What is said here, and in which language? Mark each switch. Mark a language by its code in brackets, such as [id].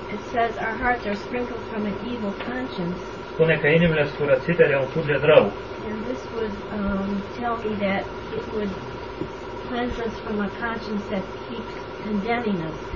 [en] it says our hearts are sprinkled from an evil conscience. [ro] Spune că inimile curățite de un suflet rău. [en] And this would tell me that it would cleanse us from a conscience that keeps condemning us.